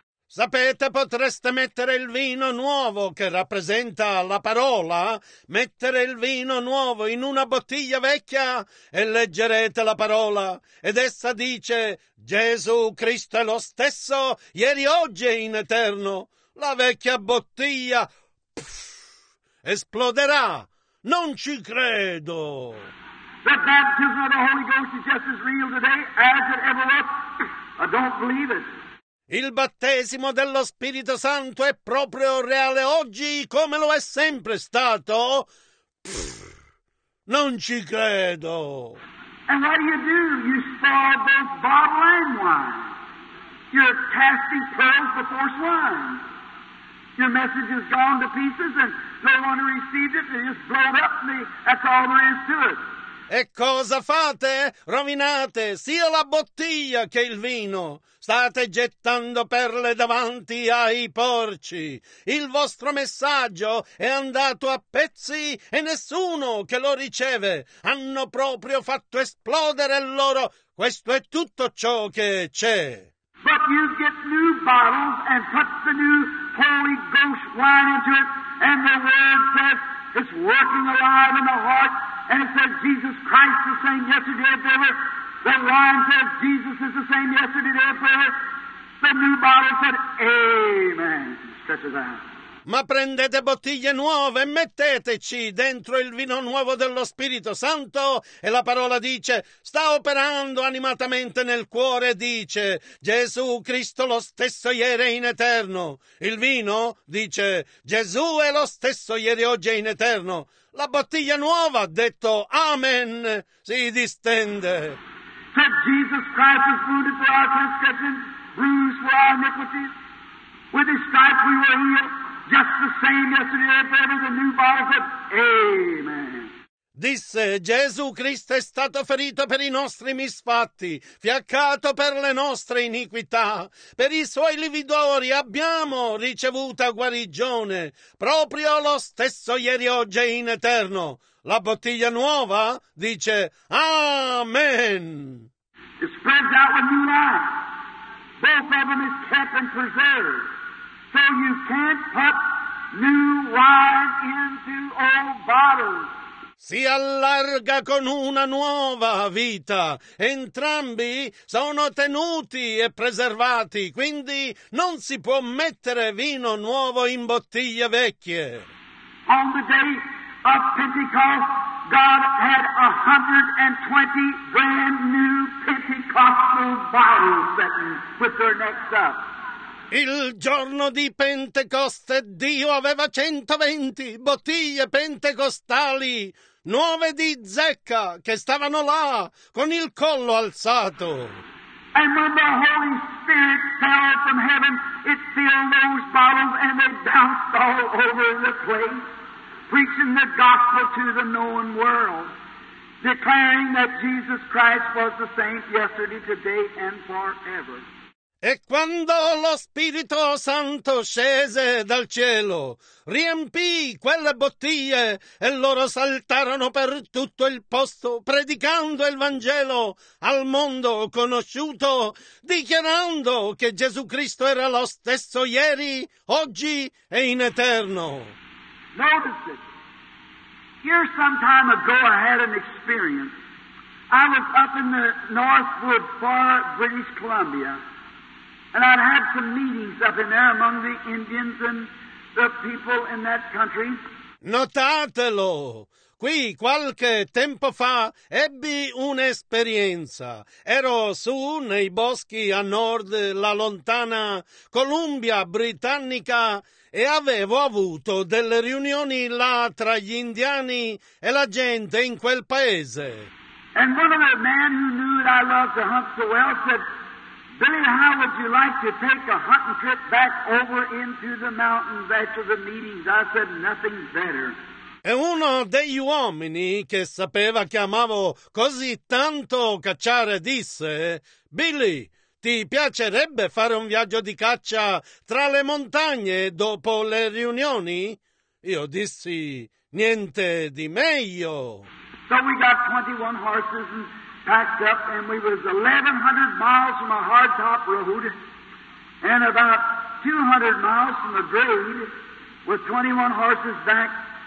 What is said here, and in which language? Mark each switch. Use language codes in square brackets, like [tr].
[it] Sapete, potreste mettere il vino nuovo che rappresenta la parola, mettere il vino nuovo in una bottiglia vecchia e leggerete la parola ed essa dice Gesù Cristo è lo stesso ieri, oggi e in eterno. La vecchia bottiglia esploderà. Non ci credo. [en] The baptism of the Holy Ghost is just as real today as it ever was. I don't believe it. [it] Il battesimo dello Spirito Santo è proprio reale oggi come lo è sempre stato? Non ci credo. [en] And what do? You spoil both bottle and wine. You're casting pearls before swine. Your message is gone to pieces and no one received it. They just blow it up and that's all there is to it. [it] E cosa fate? Rovinate sia la bottiglia che il vino. State gettando perle davanti ai porci. Il vostro messaggio è andato a pezzi e nessuno che lo riceve. Hanno proprio fatto esplodere l'oro. Questo è tutto ciò che c'è. [en] But you get new bottles and put the new Holy Ghost wine into it and the word says it's working alive in the heart. And it says Jesus Christ is the same yesterday and forever. The wine says Jesus is the same yesterday and forever. The new bottle said Amen. Such as that. [it] Ma prendete bottiglie nuove e metteteci dentro il vino nuovo dello Spirito Santo e la parola dice, sta operando animatamente nel cuore, dice, Gesù Cristo lo stesso ieri in eterno. Il vino dice, Gesù è lo stesso ieri oggi in eterno. La bottiglia nuova ha detto, Amen, si distende. [en] Said Jesus Christ is wounded for our transgressions, bruised for our iniquities. With his stripes we were healed. Just the same yesterday and forever, the new Bible said, Amen. [it] Disse, Gesù Cristo è stato ferito per i nostri misfatti, fiaccato per le nostre iniquità. Per i suoi lividori abbiamo ricevuto guarigione, proprio lo stesso ieri, oggi e in eterno. La bottiglia nuova dice, Amen. [en] It spreads out with new life. Both of them is kept and preserved. So you can't put new wine into old bottles. [it] Si allarga con una nuova vita. Entrambi sono tenuti e preservati, quindi non si può mettere vino nuovo in bottiglie vecchie. [en] On the day of Pentecost, God had 120 brand new Pentecostal bottles that put their necks up. [it] Il giorno di Pentecoste Dio aveva 120 bottiglie pentecostali, nuove di zecca, che stavano là, con il collo alzato. [en] And when the Holy Spirit fell from heaven, it filled those bottles and they bounced all over the place, preaching the gospel to the known world, declaring that Jesus Christ was the same yesterday, today and forever. [it] E quando lo Spirito Santo scese dal cielo, riempì quelle bottiglie e loro saltarono per tutto il posto, predicando il Vangelo al mondo conosciuto, dichiarando che Gesù Cristo era lo stesso ieri, oggi e in eterno. [en] Notice it. here some time ago I had an experience. I was up in the Northwood, far British Columbia, and I'd had some meetings up in there among the Indians and the people in that country. [it] Notatelo! Qui qualche tempo fa ebbi un'esperienza. Ero su nei boschi a nord la lontana Columbia Britannica e avevo avuto delle riunioni là tra gli indiani e la gente in quel paese. [en] And one of the men who knew that I loved to hunt so well said, Billy, how would you like to take a hunting trip back over into the mountains after the meetings? I said, nothing better. [it] E uno degli uomini che sapeva che amavo così tanto cacciare disse, Billy, ti piacerebbe fare un viaggio di caccia tra le montagne dopo le riunioni? Io dissi, niente di meglio. [en] So we got 21 horses and packed up and we was 1100 miles from a hardtop road and about 200 miles from a grade with 21 horses back.